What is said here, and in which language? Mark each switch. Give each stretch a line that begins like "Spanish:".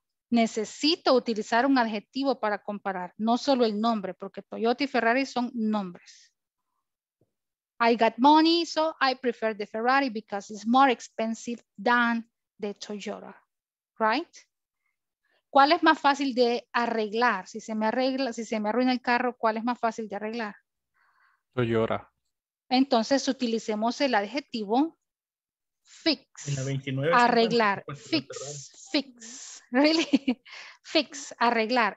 Spanish: Necesito utilizar un adjetivo para comparar, no solo el nombre, porque Toyota y Ferrari son nombres.
English: I got money, so I prefer the Ferrari because it's more expensive than the Toyota, right?
Spanish: ¿Cuál es más fácil de arreglar? Si se me arruina el carro, ¿cuál es más fácil de arreglar? Toyota. Entonces utilicemos el adjetivo fix. En la 29, arreglar.
English: Fix. Really? Fix.
Spanish: Arreglar.